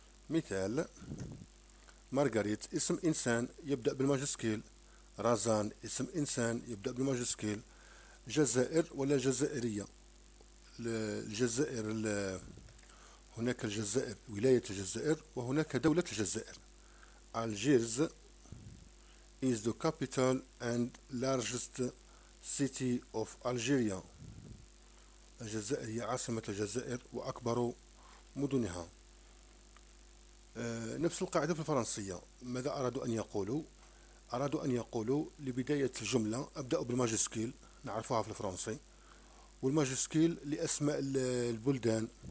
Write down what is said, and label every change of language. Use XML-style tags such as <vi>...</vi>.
<ar>مثال مارغريت اسم انسان يبدا بالماجسكيل، رازان اسم انسان يبدا بالماجسكيل، جزائر ولا جزائريه. الجزائر هناك الجزائر ولايه الجزائر وهناك دوله الجزائر.</ar> <en>Algiers is the capital and largest city of Algeria.</en> <ar>الجزائر هي عاصمة الجزائر وأكبر مدنها. نفس القاعدة في الفرنسية، ماذا أرادوا أن يقولوا؟ أرادوا أن يقولوا لبداية الجملة أبدأ بالماجسكيل، نعرفها في الفرنسي، والماجسكيل لأسماء البلدان.</ar>